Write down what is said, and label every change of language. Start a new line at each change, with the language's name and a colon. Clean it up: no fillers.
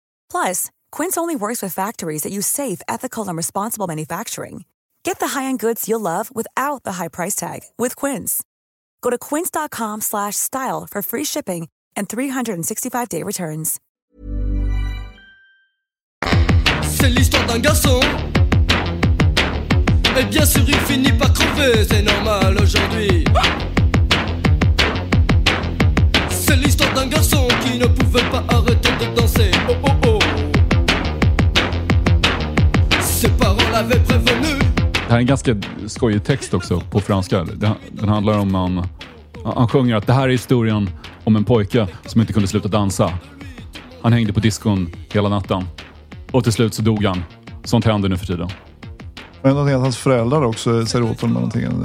English: Plus, Quince only works with factories that use safe, ethical, and responsible manufacturing. Get the high-end goods you'll love without the high price tag with Quince. Go to quince.com/style for free shipping and 365-day returns.
French: C'est l'histoire d'un garçon Mais bien sûr il finit par crever, c'est normal aujourd'hui. C'est l'histoire d'un garçon qui ne pouvait pas arrêter de danser. Oh oh oh. Ses parents l'avaient prévenu.
Swedish: Det här är en ganska skojig text också på franska. Den handlar om man... Han sjunger att det här är historien om en pojke som inte kunde sluta dansa. Han hängde på diskon hela natten. Och till slut så dog han. Sånt händer nu för tiden. Men någonting att hans föräldrar också säger åt honom någonting.